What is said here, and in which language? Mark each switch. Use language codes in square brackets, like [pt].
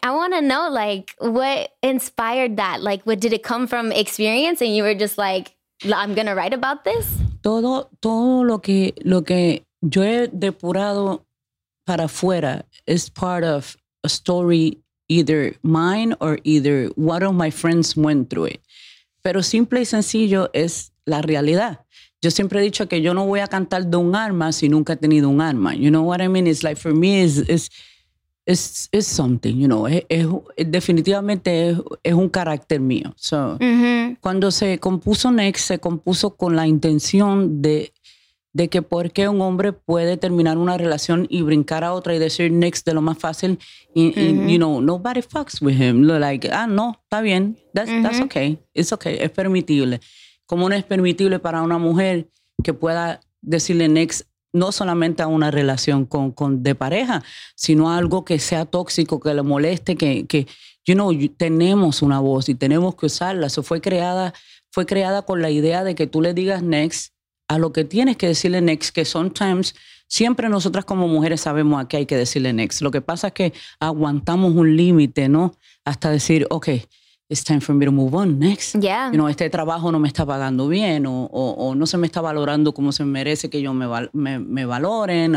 [en] I want to know, like, what inspired that? Like, what did it come from experience? And you were just like, I'm going to write about this? [es] Todo lo que yo he depurado para afuera [en] is part of a story either mine or either one of my friends went through it. [es] Pero simple y sencillo es la realidad. Yo siempre he dicho que yo no voy a cantar de un arma si nunca he tenido un arma. [en] You know what I mean? It's like, for me, it's something, you know. [es] Definitivamente es un carácter mío. So, cuando se compuso Next, se compuso con la intención de que por qué un hombre puede terminar una relación y brincar a otra y decir Next de lo más fácil. [en] Y, you know, nobody fucks with him. Like, no, [es] está bien. [en] That's okay. It's okay. [es] Es permitible. ¿Cómo no es permitible para una mujer que pueda decirle Next no solamente a una relación de pareja, sino a algo que sea tóxico, que le moleste, que [en] you know, [es] tenemos una voz y tenemos que usarla? Eso fue creada con la idea de que tú le digas Next a lo que tienes que decirle Next, que sometimes, siempre nosotras como mujeres sabemos a qué hay que decirle Next. Lo que pasa es que aguantamos un límite, ¿no? Hasta decir, [en] okay, it's time for me to move on, Next. Yeah. You know, [es] este trabajo no me está pagando bien o no se me está valorando como se merece que yo me valoren.